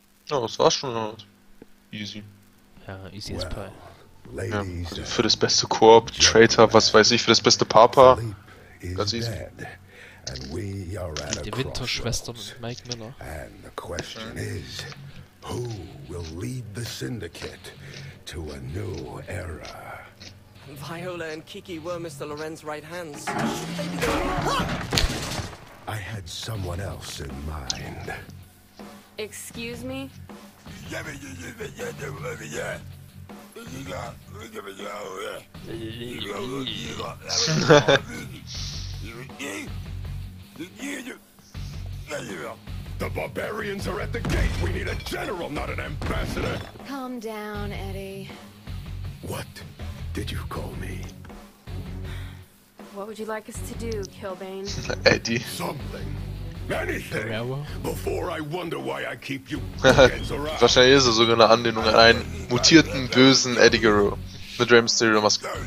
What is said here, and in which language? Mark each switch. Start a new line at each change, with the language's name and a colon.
German: Oh, das war's schon. Easy. Ja,
English: easy as pie.
German: Ja, also für das beste Koop, Traitor, was weiß ich, für das beste Papa. Ganz easy. Die Winterschwester mit Mike Miller.
English: And the question is, who will lead the syndicate to a new era? Viola and Kiki were Mr. Loren's right hands. I had someone else in mind. Excuse me? The barbarians are at the gate. We need a general, not an ambassador. Calm down, Eddie. What did you call me? What would you like us to do, Kilbane? Eddie. Something. Anything. Before I wonder why I keep you.
German: Wahrscheinlich ist es sogar eine Anlehnung an einen mutierten bösen Eddie Guerrero mit Rey Mysterio Mask.